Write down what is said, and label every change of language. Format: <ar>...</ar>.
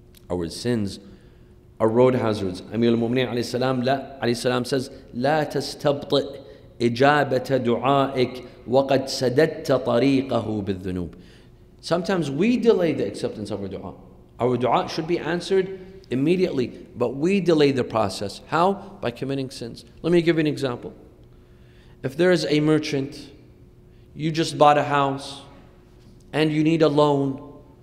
<en>Our sins are road hazards. Amir al-Mu'mineen alayhi salam says,</en> <ar>لَا تَسْتَبْطِئْ إِجَابَةَ دُعَائِكَ وَقَدْ سَدَدْتَ طَرِيقَهُ بِالذُّنُوبِ.</ar> <en>Sometimes we delay the acceptance of our dua. Our dua should be answered immediately, but we delay the process. How? By committing sins. Let me give you an example. If there is a merchant, you just bought a house, and you need a loan.</en>